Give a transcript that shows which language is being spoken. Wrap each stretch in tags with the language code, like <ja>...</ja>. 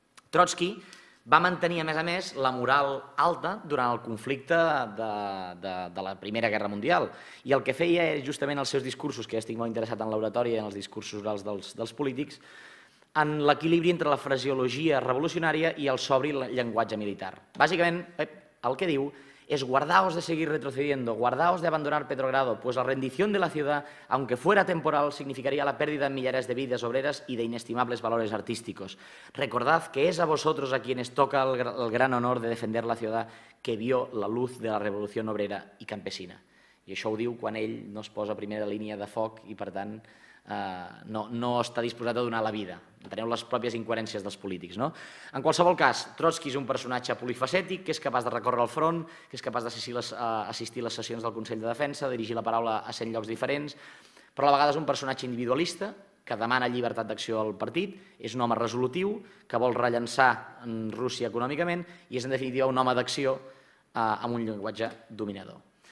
<ca>Trotsky va mantenir, a més, la moral alta durant el conflicte de la Primera Guerra Mundial. I el que feia és, justament, els seus discursos, que ja estic molt interessat en l'oratòria i en els discursos orals dels polítics, en l'equilibri entre la fraseologia revolucionària i el sobri llenguatge militar. Bàsicament, el que diu</ca> <es>es guardaos de seguir retrocediendo, guardaos de abandonar Petrogrado, pues la rendición de la ciudad, aunque fuera temporal, significaría la pérdida de millares de vidas obreras y de inestimables valores artísticos. Recordad que es a vosotros a quienes toca el gran honor de defender la ciudad que vio la luz de la revolución obrera y campesina.</es> <ca>I això ho diu quan ell no es posa a primera línia de foc i, per tant, no està disposat a donar la vida. Teniu les pròpies incoherències dels polítics, no? En qualsevol cas, Trotsky és un personatge polifacètic, que és capaç de recórrer el front, que és capaç d'assistir a les sessions del Consell de Defensa, dirigir la paraula a 100 llocs diferents, però a la vegada és un personatge individualista, que demana llibertat d'acció al partit, és un home resolutiu, que vol rellençar en Rússia econòmicament i és, en definitiva, un home d'acció amb un llenguatge dominador.</ca>